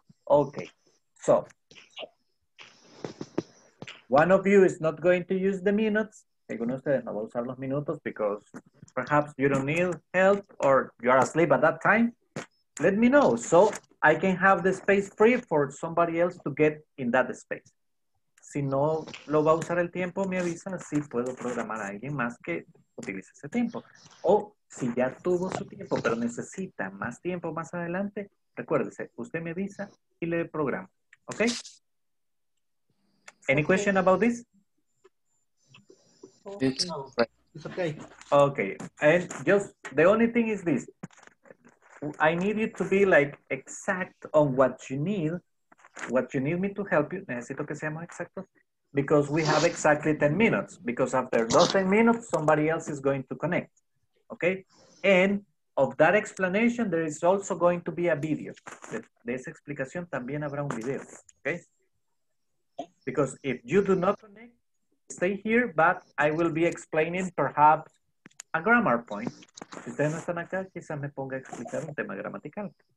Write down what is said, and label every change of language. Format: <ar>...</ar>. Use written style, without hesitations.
<en>Okay, so one of you is not going to use the minutes.</en> <es>Alguno de ustedes no va a usar los minutos</es> <en>because perhaps you don't need help or you are asleep at that time. Let me know. So I can have the space free for somebody else to get in that space.</en> <es>Si no lo va a usar el tiempo, me avisa. Si puedo programar a alguien más que utilice ese tiempo. O si ya tuvo su tiempo, pero necesita más tiempo más adelante, recuérdese, usted me avisa y le programa. ¿Ok?</es> <en>Any question about this? It's okay. Okay. And just the only thing is this. I need you to be like exact on what you need me to help you.</en> <es>Necesito que seamos exactos,</es> <en>because we have exactly 10 minutes, because after those 10 minutes, somebody else is going to connect, okay? And of that explanation, there is also going to be a video.</en> <es>De esa explicación también habrá un video, okay?</es> <en>Because if you do not connect, stay here, but I will be explaining perhaps a grammar point.</en> <es>Si ustedes no están acá, quizás me ponga a explicar un tema gramatical.</es>